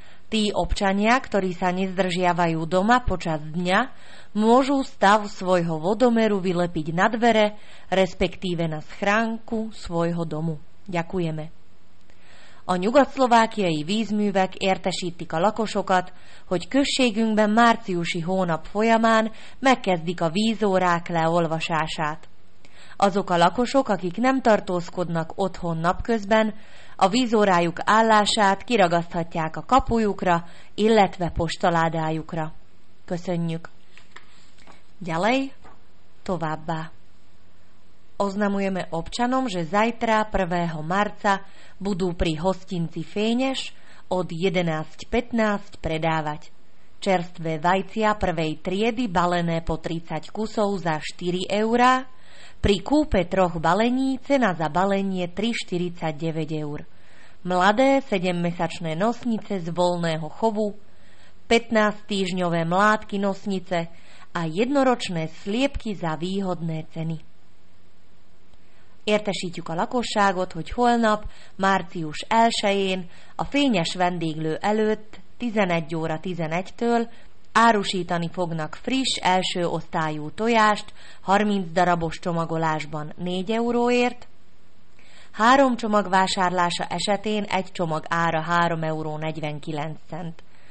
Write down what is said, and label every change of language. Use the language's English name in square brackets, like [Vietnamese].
[Slovak] Tí občania, ktorí sa nezdržiavajú doma počas dňa, môžu stav svojho vodomeru vylepiť na dvere, respektíve na schránku svojho domu. Ďakujeme. [Hungarian] A nyugatszlovákiai vízművek értesítik a lakosokat, hogy községünkben márciusi hónap folyamán megkezdik a vízórák leolvasását. Azok a lakosok, akik nem tartózkodnak otthon napközben, a vízórájuk állását kiragaszthatják a kapujukra, illetve postaládájukra. Köszönjük! Gyalej, továbbá! [Slovak] Oznamujeme občanom, že zajtra 1. marca budú pri hostinci Fénes od 11.15 predávať čerstvé vajcia prvej triedy balené po 30 kusov za 4 eurá, pri kúpe troch balení cena za balenie 3,49 eur, mladé 7-mesačné nosnice z voľného chovu, 15-týždňové mládky nosnice a jednoročné sliepky za výhodné ceny. [Hungarian] Értesítjük a lakosságot, hogy holnap, március 1-én, a Fényes vendéglő előtt 11 óra 11-től árusítani fognak friss első osztályú tojást 30 darabos csomagolásban 4 euróért, három csomag vásárlása esetén egy csomag ára 3 euró 49 cent.